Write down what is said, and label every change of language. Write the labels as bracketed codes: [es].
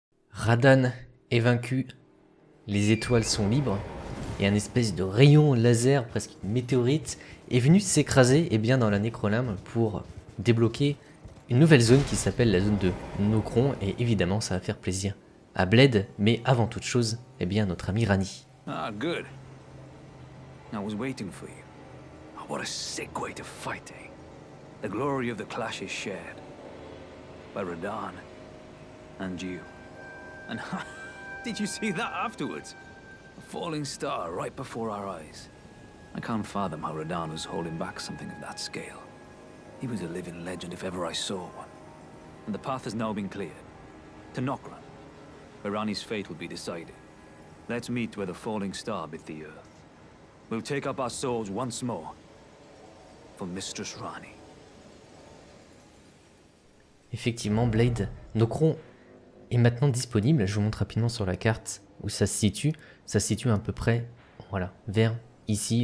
[fr] Radahn est vaincu, les étoiles sont libres, et un espèce de rayon laser, presque une météorite, est venu s'écraser eh bien, dans la Nécrolimbe pour débloquer une nouvelle zone qui s'appelle la zone de Nokron, et évidemment ça va faire plaisir à Blade, mais avant toute chose, eh bien notre ami Rani. [en] Ah, good. I was waiting for you. What a sick way to fight, eh? The glory of the clash is shared by Radahn and you. And did you see that afterwards? A falling star right before our eyes. I can't fathom how Radahn was holding back something of that scale. He was a living legend if ever I saw one. And the path has now been cleared. To Nokron, where Rani's fate will be decided. Let's meet where the falling star bit the earth. We'll take up our swords once more for Mistress Rani. [fr] Effectivement, Blade, Nokron est maintenant disponible. Je vous montre rapidement sur la carte où ça se situe. Ça se situe à peu près, voilà, vers ici.